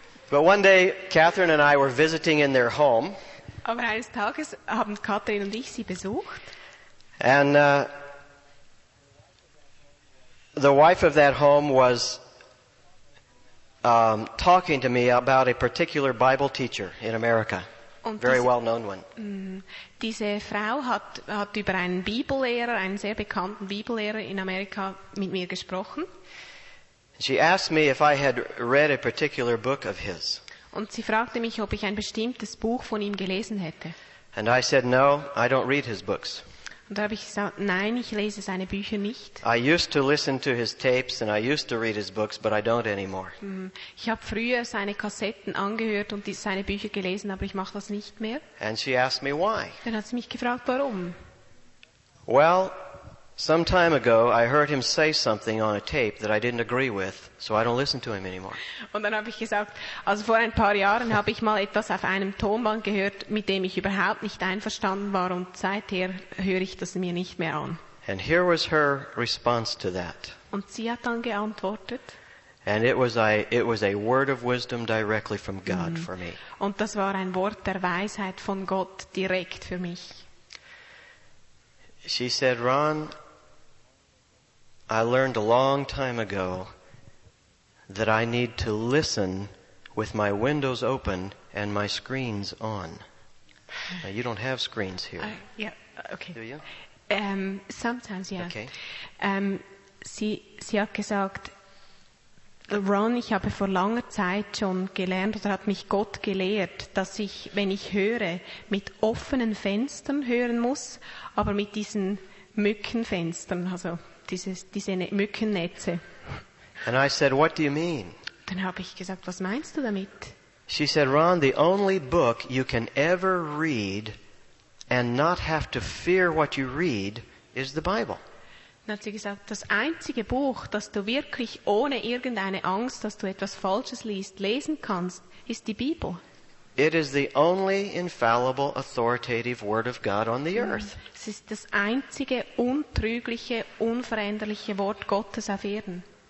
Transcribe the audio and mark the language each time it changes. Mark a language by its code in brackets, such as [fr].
[en] But one day, Catherine and I were visiting in their home. [de] Aber eines Tages haben Katrin und ich sie besucht. [en] And the wife of that home was talking to me about a particular Bible teacher in America. Very well known one. [de] Diese Frau hat über einen Bibellehrer, einen sehr bekannten Bibellehrer in Amerika mit mir gesprochen. [en] She asked me if I had read a particular book of his. [de] Und sie fragte mich, ob ich ein bestimmtes Buch von ihm gelesen hätte. [en] And I said, no, I don't read his books. [de] Und da habe ich gesagt, nein, ich lese seine Bücher nicht. [en] I used to listen to his tapes and I used to read his books, but I don't anymore. [de] Ich habe früher seine Kassetten angehört und seine Bücher gelesen, aber ich mache das nicht mehr. [en] And she asked me why. [de] Dann hat sie mich gefragt, warum. [en] Well, some time ago I heard him say something on a tape that I didn't agree with, so I don't listen to him anymore. [de] Und dann habe ich gesagt, also vor ein paar Jahren habe ich mal etwas auf einem Tonband gehört, mit dem ich überhaupt nicht einverstanden war, und seither höre ich das mir nicht mehr an. [en] And here was her response to that. [de] Und sie hat dann geantwortet. [en] And it was a word of wisdom directly from God for me. [de] Und das war ein Wort der Weisheit von Gott direkt für mich. [en] She said, Ron, I learned a long time ago that I need to listen with my windows open and my screens on. Now, you don't have screens here. Okay. Do you? Sometimes, yeah. Okay. [de] Sie hat gesagt, Ron, ich habe vor langer Zeit schon gelernt, oder hat mich Gott gelehrt, dass ich, wenn ich höre, mit offenen Fenstern hören muss, aber mit diesen Mückenfenstern, also diese Mückennetze. [en] And I said, what do you mean? [de] Dann habe ich gesagt, was meinst du damit? [en] She said, Ron, the only book you can ever read and not have to fear what you read is the Bible. [de] Dann hat sie gesagt, das einzige Buch, das du wirklich ohne irgendeine Angst, dass du etwas Falsches liest, lesen kannst, ist die Bibel. [en] It is the only infallible, authoritative word of God on the earth. [de] Es ist das einzige untrügliche, unveränderliche Wort Gottes auf Erden.